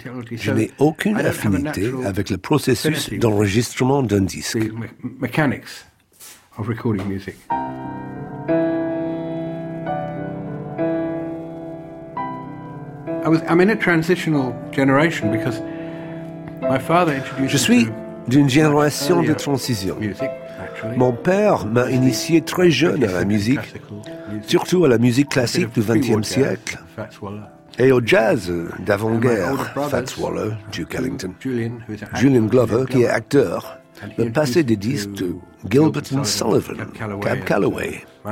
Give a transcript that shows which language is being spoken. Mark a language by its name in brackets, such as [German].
[French] Je n'ai aucune affinité avec le processus d'enregistrement d'un disque. [English] The mechanics of recording music. I'm in a transitional generation because my father introduced. [French] Je suis d'une génération de transition. Mon père m'a initié très jeune à la musique, surtout à la musique classique du XXe siècle, et au jazz d'avant-guerre, Fats Waller, Duke Ellington, Julian Glover, qui est acteur, me passait des disques de Gilbert and Sullivan, Cab Calloway.